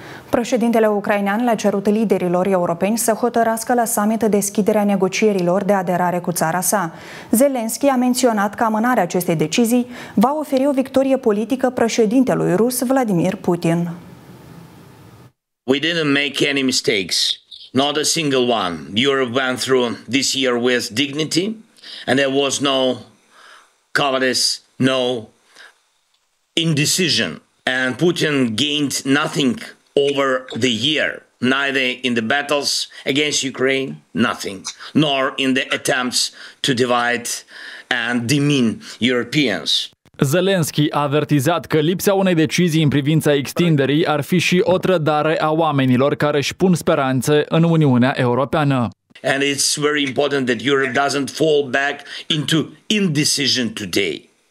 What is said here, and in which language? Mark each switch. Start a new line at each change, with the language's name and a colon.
Romanian: Președintele ucrainean le-a cerut liderilor europeni să hotărască la summit deschiderea negocierilor de aderare cu țara sa. Zelenski a menționat că amânarea acestei decizii va oferi o victorie politică președintelui rus Vladimir Putin.
English: We didn't make any mistakes, not a single one. Europe went through this year with dignity and there was no cowardice, no indecision. And Putin gained nothing over the year, neither in the battles against Ukraine, nothing, nor in the attempts to divide and demean Europeans.
Romanian: Zelenski a avertizat că lipsa unei decizii în privința extinderii ar fi și o trădare a oamenilor care își pun speranțe în Uniunea Europeană.
English: And it's very important that Europe doesn't fall back into indecision today.